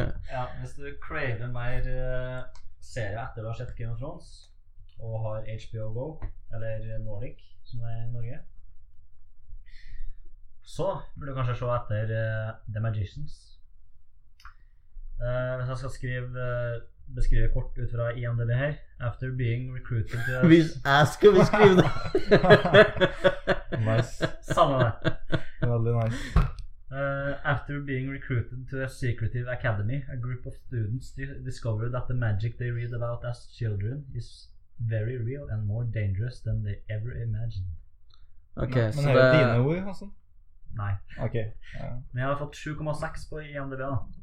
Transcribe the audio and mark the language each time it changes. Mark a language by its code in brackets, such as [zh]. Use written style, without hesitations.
[no] Ja, hvis du craver mer serie etter du har sett Game of Thrones, og har HBO Go, eller Nordic, som er i Norge, så vil du kanskje se etter The Magicians. Hvis jeg skal beskrive kort ut fra IMDb her. [en] After being recruited to... [no] Hvis jeg skal beskrive det! [en] Nice. [no] Samme med. Veldig nice. [en] After being recruited to a secretive academy, a group of students discovered that the magic they read about as children is very real and more dangerous than they ever imagined. [no] Ok, men, så det... Men er det dine ord, altså? Nei. Ok. Men jeg har fått 7,6 på IMDb da.